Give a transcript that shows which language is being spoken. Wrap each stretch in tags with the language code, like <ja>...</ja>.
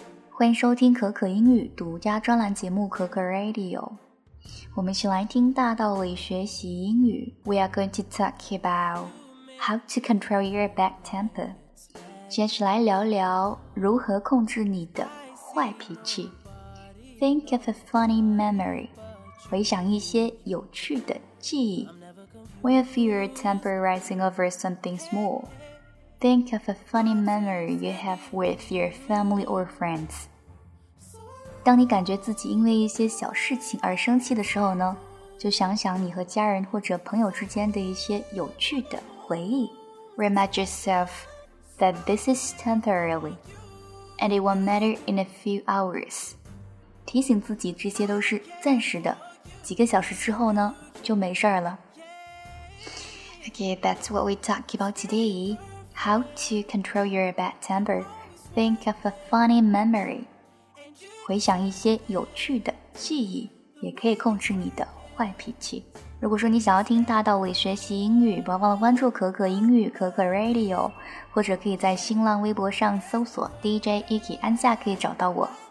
<zh>欢迎收听可可英语独家专栏节目可可 Radio。我们一起来听大道理学习英语。</zh> <en>We are going to talk about how to control your bad temper。</en> <zh>接下来聊聊如何控制你的坏脾气。</zh> <en>Think of a funny memory。</en> <zh>回想一些有趣的记忆。</zh> <en>When you feel your temper rising over something small,Think of a funny memory you have with your family or friends.</en> <zh>当你感觉自己因为一些小事情而生气的时候呢，就想想你和家人或者朋友之间的一些有趣的回忆。</zh> <en>Remind yourself that this is temporary, and it won't matter in a few hours.</en> <zh>提醒自己这些都是暂时的，几个小时之后呢，就没事了。</zh> <en>Okay, that's what we talk about today. How to control your bad temper? Think of a funny memory.</en> <zh>回想一些有趣的记忆，也可以控制你的坏脾气。如果说你想要听大道理学习英语，不要忘了关注可可英语、可可 Radio， 或者可以在新浪微博上搜索 DJ Iki 安夏，可以找到我。</zh>